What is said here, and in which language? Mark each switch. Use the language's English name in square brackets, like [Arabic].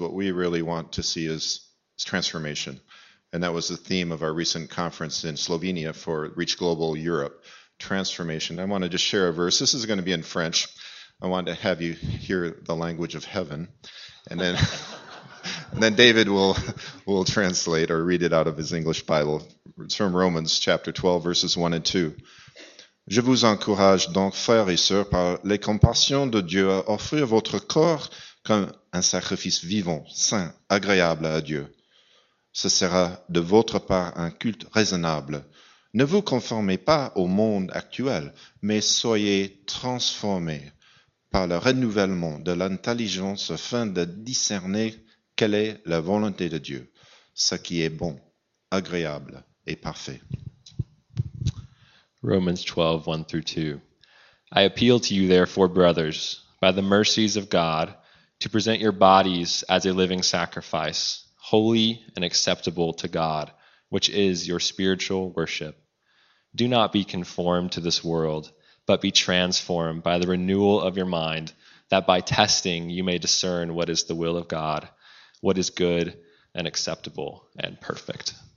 [English] What we really want to see is transformation. And that was the theme of our recent conference in Slovenia for Reach Global Europe, transformation. I want to just share a verse. This is going to be in French. I want to have you hear the language of heaven. And then David will translate or read it out of his English Bible. It's from Romans chapter 12, verses 1 and 2. [French] Je vous encourage donc, frères et sœurs, par les compassions de Dieu, à offrir votre corps comme un sacrifice vivant, saint, agréable à Dieu. Ce sera de votre part un culte raisonnable. Ne vous conformez pas au monde actuel, mais soyez transformés par le renouvellement de l'intelligence afin de discerner quelle est la volonté de Dieu, ce qui est bon, agréable et parfait. [English] Romans 12, 1 through 2. I appeal to you, therefore, brothers, by the mercies of God, to present your bodies as a living sacrifice, holy and acceptable to God, which is your spiritual worship. Do not be conformed to this world, but be transformed by the renewal of your mind, that by testing you may discern what is the will of God, what is good and acceptable and perfect.